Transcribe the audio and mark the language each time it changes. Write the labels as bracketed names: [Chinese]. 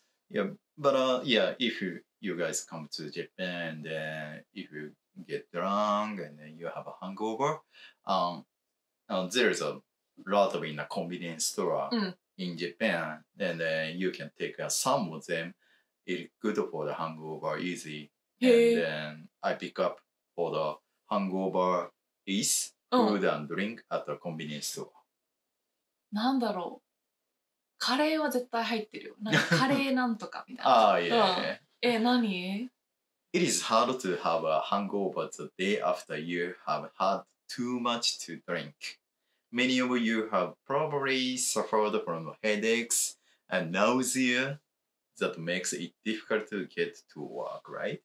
[English] Yeah, if you guys come to Japan, then if you get drunk and then you have a hangover, there's a lot of in a convenience store in Japan, and then you can take some of them. It's good for the hangover, easy. And then I pick up for the hangover easy. Food and drink at a convenience store. [Japanese] なんだろう。カレーは絶対入ってるよ。なんかカレーなんとかみたいな。ああ、いや。何? [English] It is hard to have a hangover the day after you have had too much to drink. Many of you have probably suffered from headaches and nausea. that makes it difficult to get to work, right?